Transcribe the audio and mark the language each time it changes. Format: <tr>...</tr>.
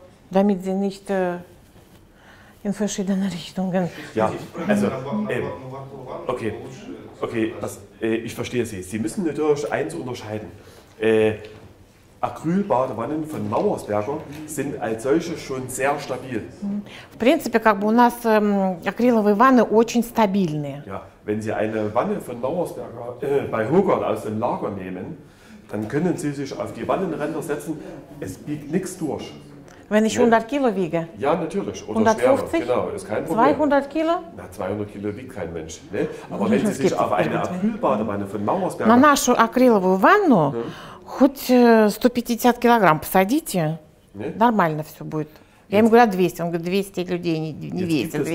<de>Damit Sie nicht in verschiedene Richtungen. Ja, also. Okay, okay, das, ich verstehe Sie. Sie müssen natürlich eins unterscheiden. Acrylbadewannen von Mauersberger sind als solche schon sehr stabil.</de> <ru>В принципе, как бы у нас акриловые ванны очень стабильные.</ru> <de>Ja, wenn Sie eine Wanne von Mauersberger bei Hogarth aus dem Lager nehmen, dann können Sie sich auf die Wannenränder setzen, es biegt nichts durch. Wenn ich 100 Kilo wiege? Ja, natürlich. Oder 150? Schwerer. Genau, ist kein Problem. 200 Kilo? Na, 200 Kilo wiegt kein Mensch. Ne? Aber wenn Sie sich auf eine Acrylbadewanne von Mauersberger...</de> <ru>На нашу акриловую ванну... Хоть 150 килограмм посадите, nee? Нормально все будет. Я ему говорю, 200. Он говорит, 200 людей не весит.</ru>